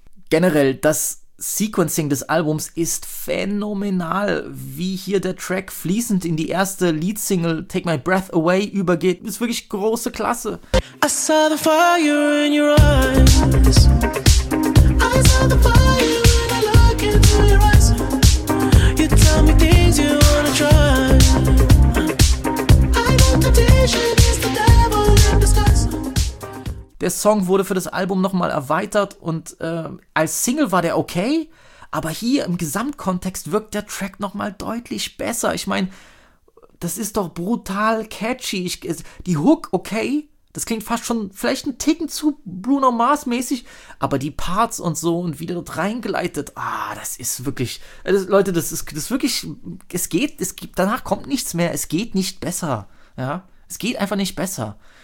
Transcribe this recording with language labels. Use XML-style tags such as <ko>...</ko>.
<de>Generell, das Sequencing des Albums ist phänomenal, wie hier der Track fließend in die erste Lead-Single Take My Breath Away übergeht. Ist wirklich große Klasse.</de> <en>I saw the fire in your eyes. I saw the fire when I look into your eyes. You tell me things you wanna try. I know temptation is the devil in disguise.</en> <de>Der Song wurde für das Album nochmal erweitert und als Single war der okay, aber hier im Gesamtkontext wirkt der Track nochmal deutlich besser. Ich meine, das ist doch brutal catchy. Die Hook, okay, das klingt fast schon vielleicht ein Ticken zu Bruno Mars mäßig, aber die Parts und so und wie der dort reingeleitet, das ist wirklich, danach kommt nichts mehr, es geht nicht besser, ja, es geht einfach nicht besser.</de>